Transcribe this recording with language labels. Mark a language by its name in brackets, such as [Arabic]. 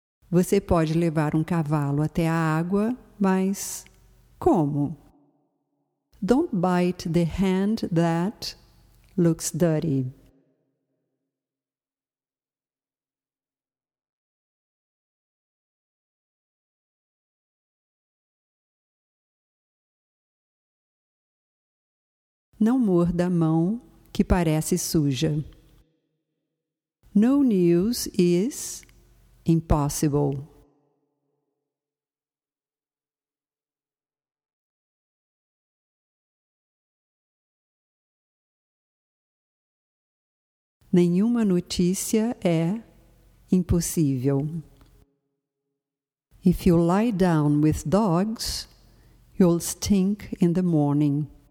[Portuguese] Você pode levar um cavalo até a água, mas como? [English] Don't bite the hand that looks dirty. [Portuguese] Não morda a mão que parece suja. [English] No news is impossible. [Portuguese] Nenhuma notícia é impossível. [English] If you lie down with dogs, you'll stink in the morning.